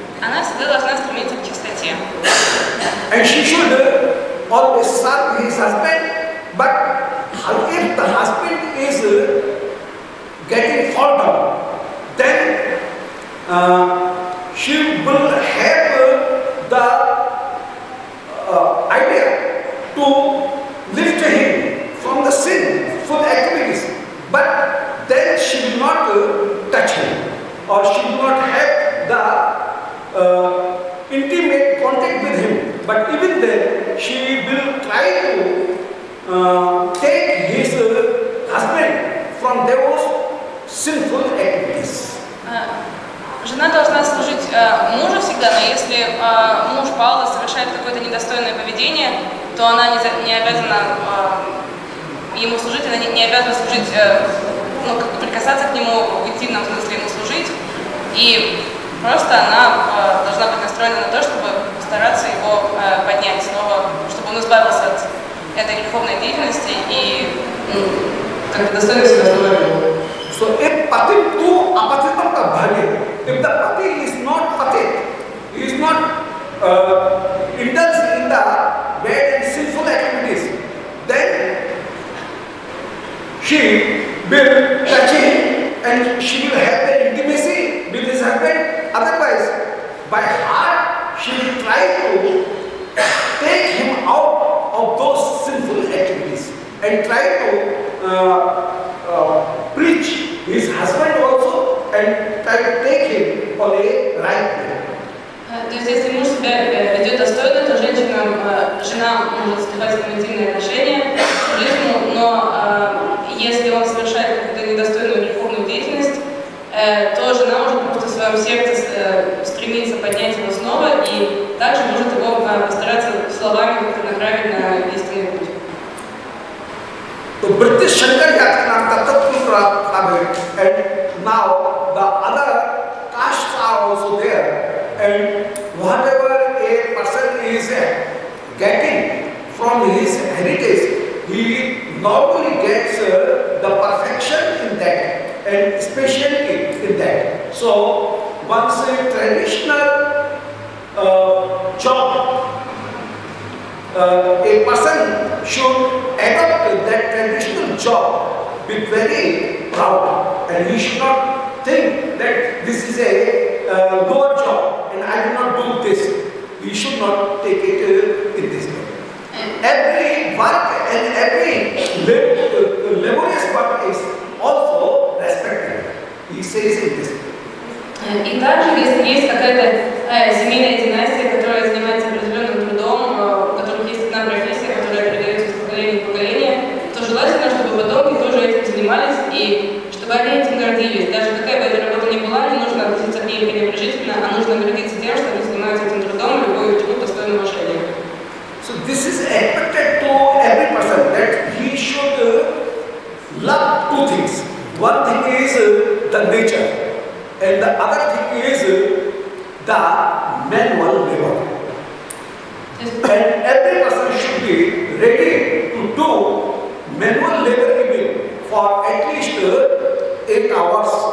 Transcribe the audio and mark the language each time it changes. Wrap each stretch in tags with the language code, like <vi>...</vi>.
<ru>Она всегда должна стремиться к чистоте.</ru> <en>And she should always serve his husband, but if the husband is getting fault, then she will have the idea to lift him from the sinful activities, but then she will not touch him, or she will not have the intimate contact with him. But even then, she will try to take his husband from those sinful activities.</en> <ru>Жена должна служить мужу всегда, но если муж пала, совершает какое-то недостойное поведение, то она не обязана ему служить, она не обязана служить, ну, как бы прикасаться к нему, в интимном смысле ему служить. И просто она должна быть настроена на то, чтобы стараться его поднять снова, чтобы он избавился от этой греховной деятельности и как бы достойно себя служить.</ru> <en>If the pati is not pati, he is not indulged in the bad and sinful activities, then she will touch him and she will have the intimacy with his husband. Otherwise, by heart, she will try to take him out of those sinful activities and try to preach his husband also. And take him on a right way.</en> <ru>То есть, если муж себя ведет достойно, то женщина, жена может вступать в интимные отношения с мужем, но если он совершает какую-то недостойную духовную деятельность, то жена может просто в своем сердце стремиться поднять его снова и также может его постараться словами как-то направить на истинный путь. То British Shankar Yatana Tattatpunkra Abhir.</ru> <en>And now, the other castes are also there, and whatever a person is getting from his heritage, he not only gets the perfection in that and specialty in that. So once a traditional job, a person should adopt that traditional job with very proud, and he should not think that this is a lower job and I do not do this. We should not take it in this way. Every work and every laborious work is also respected. He says it this way.</en> <ru>И также, если есть какая-то семейная династия, которая занимается определенным трудом, у которых есть одна профессия, которая передается из поколения в поколение, то желательно, чтобы потомки тоже этим занимались и чтобы они этим гордились. Даже какая бы эта работа ни была, не нужно относиться к ней пренебрежительно, а нужно гордиться тем, что они занимаются этим трудом, любовью к чему достойно уважения.</ru> <en>So this is expected to every person that he should love two things. One thing is the nature. And the other thing is the manual labor. And every person should be ready to do manual labor even for at least 8 hours.</en>